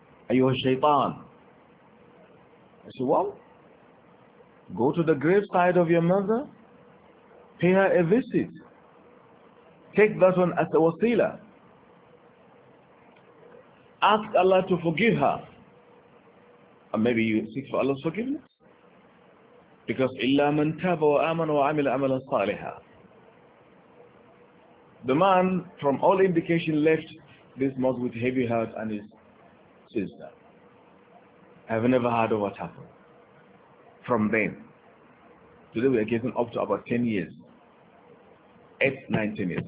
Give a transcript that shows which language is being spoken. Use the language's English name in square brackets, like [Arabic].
[Arabic] Ayyuhal shaitan. [English] I said, well, go to the graveside of your mother, pay her a visit. Take that one as a wasila. Ask Allah to forgive her. And maybe you seek for Allah's forgiveness. Because [Arabic] إِلَّا مَنْ تَابَ وَآمَنَ وَعَمِلَ عَمَلًا صَالِحًا. [English] The man, from all indication, left this mosque with heavy heart and his sister. I have never heard of what happened from then. Today we are getting up to about 10 years. 8, 9, 10 years.